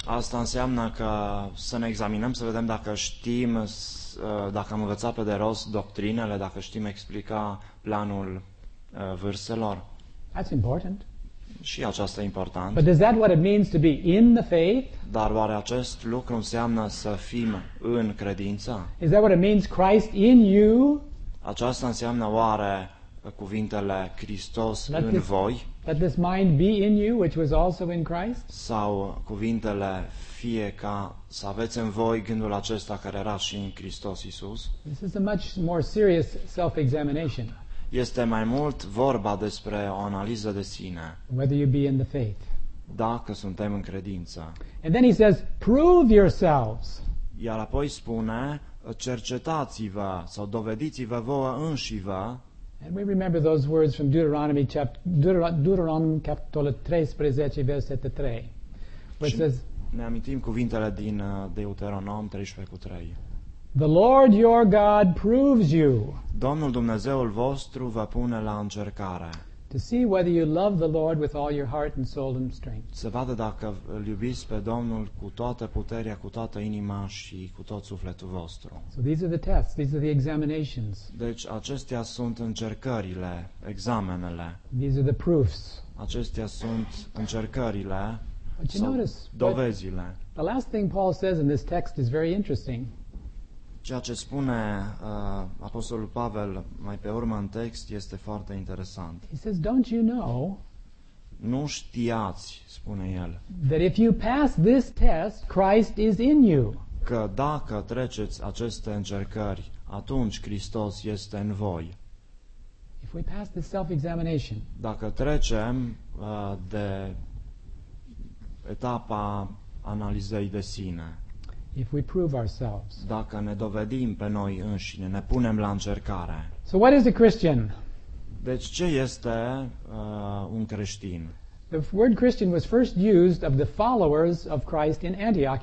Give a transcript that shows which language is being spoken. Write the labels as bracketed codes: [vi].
[ro] Asta înseamnă că să ne examinăm, să vedem dacă știm, dacă am învățat pe de rost doctrinele, dacă știm explica planul vârselor. [en] That's important. [ro] Și aceasta e important. [en] But is that what it means to be in the faith? [ro] Dar oare acest lucru înseamnă să fim în credință? [en] Is that what it means, Christ in you? [ro] Aceasta înseamnă oare cuvintele Hristos în voi? [en] Let this mind be in you, which was also in Christ? [ro] Sau cuvintele fie ca să aveți în voi gândul acesta care era și în Hristos Iisus? [en] This is a much more serious self-examination. [ro] Este mai mult vorba despre o analiză de sine. [en] Whether you be in the faith. [ro] Dacă suntem în credință. [en] And then he says, prove yourselves. [ro] Iar apoi spune, cercetați-vă sau dovediți-vă vouă înșivă. [en] And we remember those words from Deuteronomy [ro] capitolul 13, versetul 3. [en] Which says, [ro] ne amintim cuvintele din Deuteronom 13:3. [en] The Lord your God proves you. [ro] Domnul Dumnezeul vostru vă pune la încercare. [en] To see whether you love the Lord with all your heart and soul and strength. [ro] Să vadă dacă îl iubiți pe Domnul cu toată puterea, cu toată inima și cu tot sufletul vostru. [en] So these are the tests, these are the examinations. [ro] Deci acestea sunt încercările, examenele. [en] These are the proofs. [ro] Acestea sunt încercările. [en] But you notice, [ro] dovezile. [en] The last thing Paul says in this text is very interesting. [ro] Ceea ce spune Apostolul Pavel mai pe urmă în text este foarte interesant. [en] He says, don't you know? [ro] Nu știați, spune el. [en] That if you pass this test, Christ is in you. [ro] Că dacă treceți aceste încercări, atunci Hristos este în voi. [en] If we pass this self-examination. [ro] Dacă trecem de etapa analizei de sine. [en] If we prove ourselves. [ro] Dacă ne dovedim pe noi înșine, ne punem la încercare. [en] So what is a Christian? [ro] Deci ce este un creștin? [en] The word Christian was first used of the followers of Christ in Antioch.